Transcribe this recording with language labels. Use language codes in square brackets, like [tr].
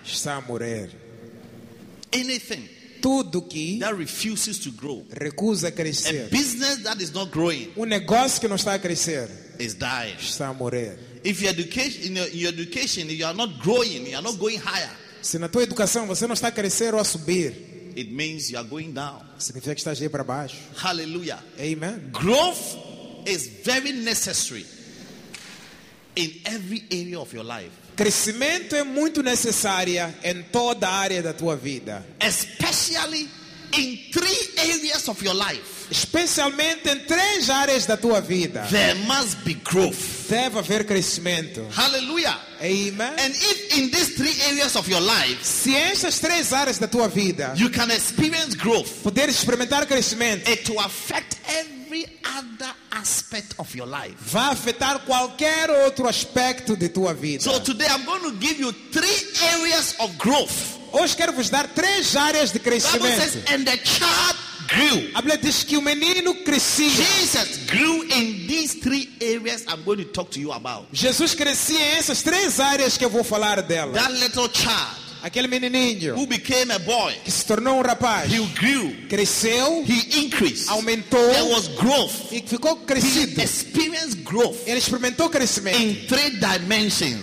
[pt] Está a morrer. [en] Anything. [pt] Tudo que. [en] That refuses to grow. [pt] Recusa a crescer. [en] A business that is not growing. [pt] Negócio que não está a crescer. [en] Is dying. [pt] Está a morrer. [en] If your education, if you are not growing, you are not going higher. [pt] Se na tua educação você não está a crescer ou a subir, [en] it means you are going down. [pt] Significa que estás a ir para baixo. [en] Hallelujah. Amen. Growth is very necessary in every area of your life. [pt] Crescimento é muito necessário em toda a área da tua vida. [en] Especially in three areas of your life. [pt] Especialmente em três áreas da tua vida. [en] There must be growth. [pt] Deve haver crescimento. [en] Hallelujah. Amen. And if in these three areas of your life, [pt] se essas três áreas da tua vida, [en] you can experience growth, [pt] poder experimentar crescimento, [en] it will affect every other aspect of your life. [pt] Vai afetar qualquer outro aspecto de tua vida. [en] So today I'm going to give you three areas of growth. [pt] Hoje quero vos dar três áreas de crescimento. [en] Says, and the child grew. [pt] A Bíblia diz que o menino crescia. [en] Jesus grew in these three areas I'm going to talk to you about. [pt] Jesus crescia em essas três áreas que eu vou falar dela. [en] That little child. [pt] Aquele menininho. [en] Who became a boy. [pt] Que se tornou rapaz. [en] He grew. [pt] Cresceu. [en] He increased. [pt] Aumentou. [en] There was growth. [pt] E ficou crescido. [en] He experienced growth. [pt] Ele experimentou crescimento. [en] In three dimensions.